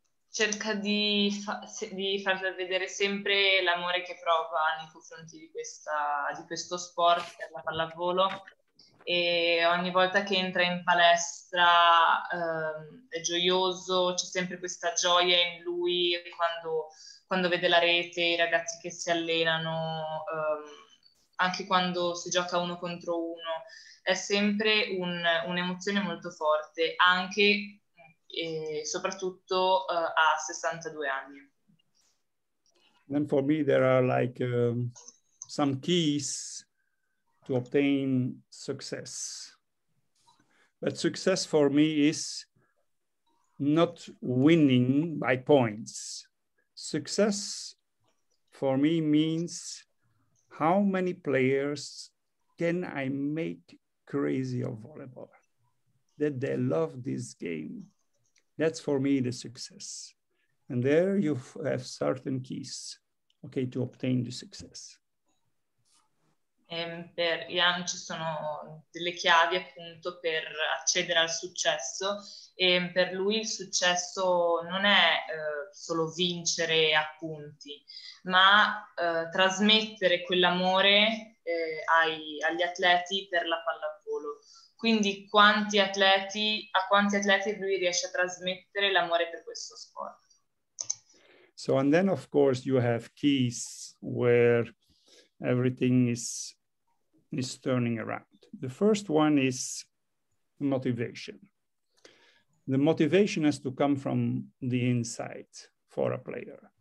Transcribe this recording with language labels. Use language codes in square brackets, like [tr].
[it] Cerca di far vedere sempre l'amore che prova nei confronti di questo sport per la pallavolo e ogni volta che entra in palestra è gioioso, c'è sempre questa gioia in lui quando vede la rete, i ragazzi che si allenano, anche quando si gioca uno contro uno, è sempre un'emozione molto forte, anche e soprattutto a 62 anni. [en] Then for me there are like some keys to obtain success. But success for me is not winning by points. Success for me means how many players can I make crazy of volleyball, that they love this game. That's for me the success. And there you have certain keys, okay, to obtain the success. [it] Per Ian ci sono delle chiavi appunto per accedere al successo. E per lui il successo non è solo vincere appunti, ma trasmettere quell'amore agli atleti per la pallavolo. Quindi a quanti atleti lui riesce a trasmettere l'amore per questo sport. [en] So and then of course you have keys where everything is turning around. The first one is motivation. The motivation has to come from the inside for a player.